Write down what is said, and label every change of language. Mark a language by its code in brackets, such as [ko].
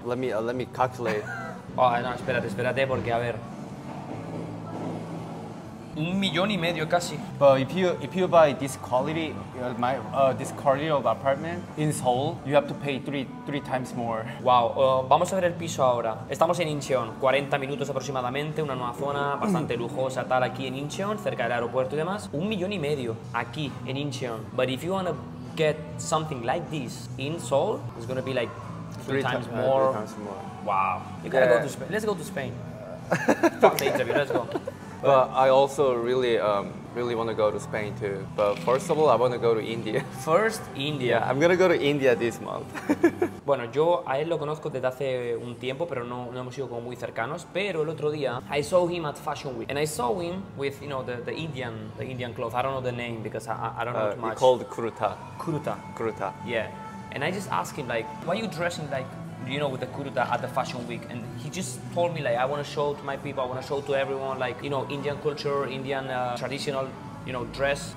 [en] Let me calculate. [es] Oh, no, espérate, porque a ver. 1,500,000 casi. [en] But if you buy this quality, this quality of apartment in Seoul, you have to pay three times more. [es] Wow, vamos a ver el piso ahora. Estamos en Incheon, 40 minutos aproximadamente, una nueva zona bastante lujosa tal aquí en Incheon, cerca del aeropuerto y demás. 1,500,000 aquí en Incheon. [en] But if you want to get something like this in Seoul, it's going to be like three times more. Wow. You gotta go to Spain. Let's go to Spain. Fuck the interview, let's go. But I also really, really want to go to Spain too. But first of all, I want to go to India. First, India. Yeah, I'm going to go to India this month. [es] Bueno, yo a él lo conozco desde hace un tiempo, pero no hemos sido como muy cercanos. Pero el otro día, [en] I saw him at Fashion Week. And I saw him with, you know, the Indian clothes. I don't know the name because I don't know too much. It's called Kurta. Kurta. Kurta. Yeah. And I just asked him, like, why are you dressing like, you know, with the kurta at the Fashion Week? And he just told me, like, I want to show to my people, I want to show to everyone, like, you know, Indian culture, Indian traditional you know, dress.